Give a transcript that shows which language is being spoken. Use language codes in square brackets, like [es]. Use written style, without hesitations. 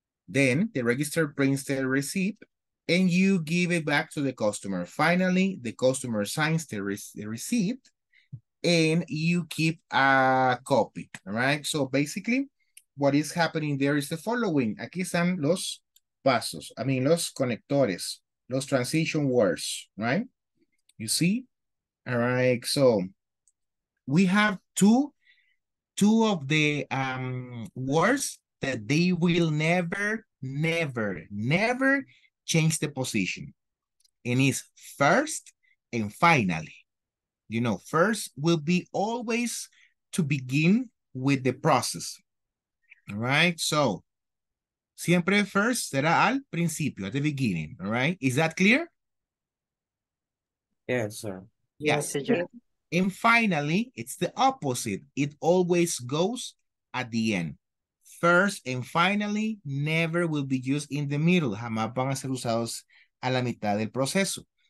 [en] Then the register prints the receipt and you give it back to the customer. Finally, the customer signs the receipt and you keep a copy, all right? So basically what is happening there is the following. [es] Aquí están los pasos, [en] I mean, [es] los conectores, los transition words, right? [en] You see, all right? So we have two of the words that they will never change the position. And it's first and finally. You know, first will be always to begin with the process. All right, so [es] siempre first será al principio, [en] at the beginning, all right? Is that clear? Yes, yeah, sir. Yes. And finally, it's the opposite. It always goes at the end. First and finally, never will be used in the middle. [es] Jamás van a ser usados a la mitad del proceso.